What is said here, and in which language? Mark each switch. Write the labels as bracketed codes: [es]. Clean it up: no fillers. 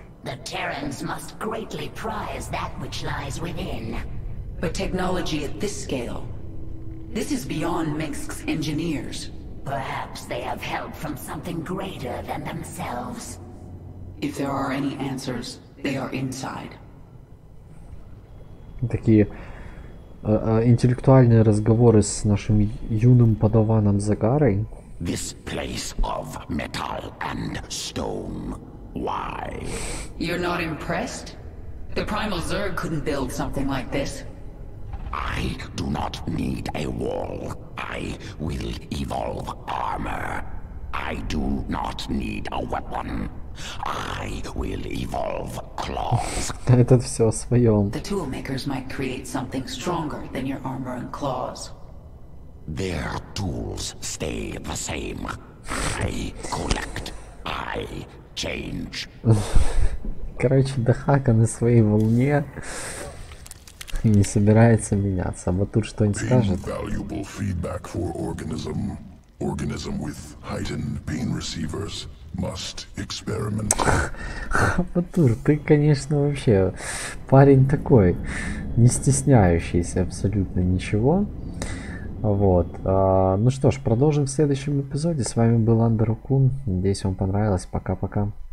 [en] The Terrans must greatly prize that which lies within. But technology at this scale, this is beyond Minsk's engineers. Perhaps they have help from something greater than themselves. If there are any answers, they are inside. [ru] Такие интеллектуальные разговоры с нашим юным подаваном Загарой. [en] This place of metal and stone. Why? You're not impressed? The Primal Zerg couldn't build something like this. I do not need a wall. I will evolve armor. I do not need a weapon. I will evolve claws. [ru] Этот все о своем. [en] The toolmakers might create something stronger than your armor and claws. Their tools stay the same. I collect. I change. [ru] Короче, Дахака на своей волне и не собирается меняться. Вот тут что-нибудь скажет. [en] Valuable feedback for organism. Organism with heightened pain receivers must experiment. [ru] Хапатур, ты, конечно, вообще парень такой, не стесняющийся абсолютно ничего. Вот. Ну что ж, продолжим в следующем эпизоде. С вами был Андеру Кун. Надеюсь, вам понравилось. Пока-пока.